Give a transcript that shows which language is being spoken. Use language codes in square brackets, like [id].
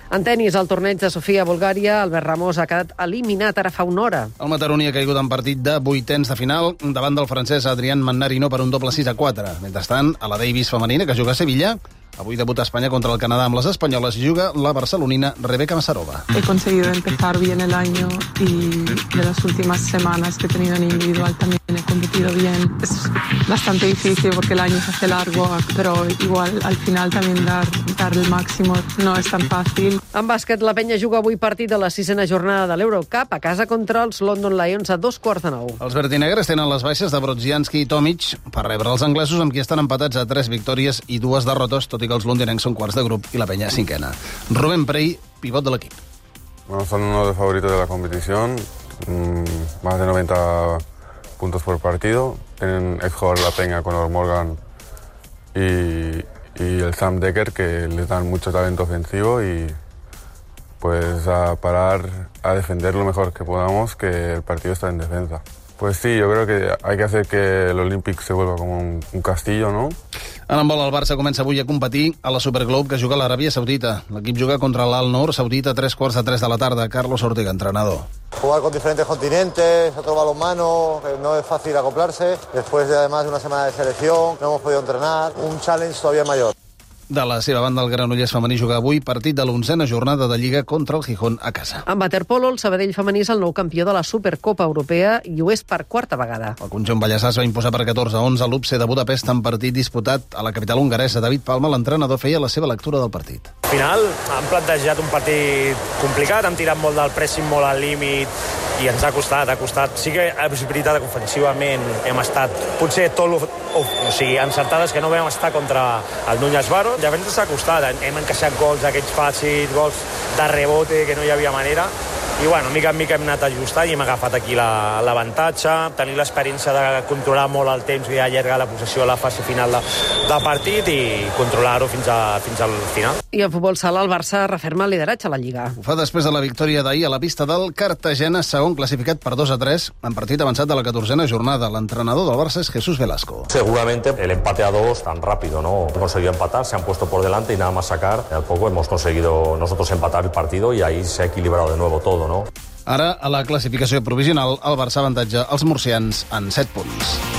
[ca] En tenis, al torneig de Sofia, Bulgària, Albert Ramos ha quedat eliminat ara fa una hora. El Mataroni ha caigut en partit de 8ens de final davant del francès Adrián Mannarino per un doble 6-4. Mentrestant, a la Davis femenina, que juga a Sevilla, avui debuta Espanya contra el Canadà amb les espanyoles, juga la barcelonina Rebeca Massarova. [es] He conseguido empezar bien el año y de las últimas semanas que he tenido en individual también he competido bien. Es bastante difícil porque el año se hace largo, pero igual al final también dar el máximo no es tan fácil. [ca] En bàsquet, la penya juga avui partit de la 6ª jornada de l'Eurocup a casa contra els London Lions a 8:45. Els verdinegres tenen les baixes de Brodzianski i Tomic per rebre els anglesos, amb qui estan empatats a 3 victòries i 2 derrotes, tot i que els londinencs són quarts de grup i la penya cinquena. Rubén Prey, pivot de l'equip. [es] Bueno, son uno de favoritos de la competición. Más de 90 puntos por partido. Tienen ex-jugador la peña con Conor Morgan y el Sam Decker, que les dan mucho talento ofensivo y pues a parar, a defender lo mejor que podamos, que el partido está en defensa. Pues sí, yo creo que hay que hacer que el Olympic se vuelva como un castillo, ¿no? [ca] En handbol, el Barça comença avui a competir a la Superglobe, que juga a l'Aràbia Saudita. L'equip juga contra l'Al Nor Saudita a 3:45 de la tarda. Carlos Ortega, entrenador. [es] Jugar con diferentes continentes, otro balonmano, no es fácil acoplarse. Después de, además, una semana de selección, no hemos podido entrenar. Un challenge todavía mayor. [ca] De la seva banda, el Granollers femení juga avui partit de l'onzena jornada de Lliga contra el Gijón a casa. En waterpolo, el Sabadell femení és el nou campió de la Supercopa Europea i ho és per quarta vegada. El conjunt ballassà es va imposar per 14-11 a l'UPC de Budapest en partit disputat a la capital hongaresa. David Palma, l'entrenador, feia la seva lectura del partit. Al final han plantejat un partit complicat, han tirat molt del pressing, molt al límit, i ens ha costat, ha costat. Sí que és veritat que ofensivament hem estat potser tot encertades, que no vam estar contra el Núñez Baro. Llavors ens ha costat, hem encaixat gols d'aquests fàcils, gols de rebote, que no hi havia manera. I bueno, mica en mica hem anat ajustant i hem agafat aquí l'avantatge. Tenir l'experiència de controlar molt el temps i allargar la possessió a la fase final de partit i controlar-ho fins al final. I en futbol sala, el Barça referma el lideratge a la Lliga. Ho fa després de la victòria d'ahir a la pista del Cartagena, segon classificat per 2-3, en partit avançat de la 14a jornada. L'entrenador del Barça és Jesús Velasco. [es] Seguramente el empate a dos tan rápido, ¿no? Hemos conseguido empatar, se han puesto por delante y nada más sacar. Al poco hemos conseguido nosotros empatar el partido y ahí se ha equilibrado de nuevo todo, ¿no? [ca] Ara, a la classificació provisional, el Barça avantatja els murcians en 7 punts.